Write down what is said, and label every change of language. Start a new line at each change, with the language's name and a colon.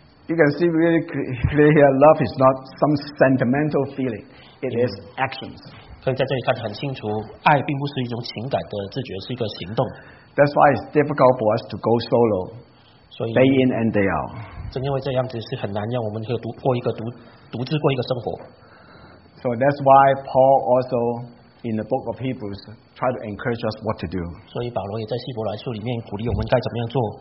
English: You can see really clear here, love is not some sentimental feeling. It is actions.
Chinese: 可以在这里看得很清楚，爱并不是一种情感的自觉，是一个行动。
English: That's why it's difficult for us to go solo, day in and day out.
Chinese: 正因为这样子是很难让我们可以独自过一个生活。
English: So that's why Paul also, in the book of Hebrews, try to encourage us what to do.
Chinese: 所以保罗也在希伯来书里面鼓励我们该怎么样做。